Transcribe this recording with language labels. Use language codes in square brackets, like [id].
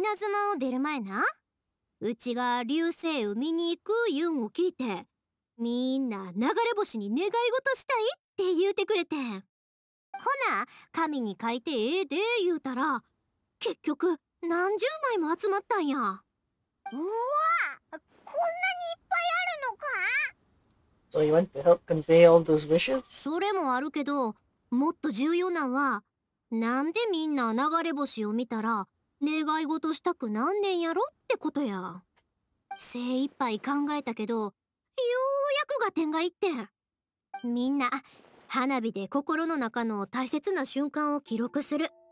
[ja] 稲妻を出る前な、うちが流星雨見に行くユンを聞いて、みんな流れ星に願い事したいって言うてくれてん。ほな紙に書いてええで言うたら、結局何十枚も集まったんや。うわ、こんなにいっぱいあるのか。 [en] So you went to help convey all those wishes? [ja] それもあるけど、もっと重要なんは、なんでみんな流れ星を見たら願い事したくなんねんやろってことや。精一杯考えたけど、ようやくが点がいってん。みんな花火で心の中の大切な瞬間を記録する。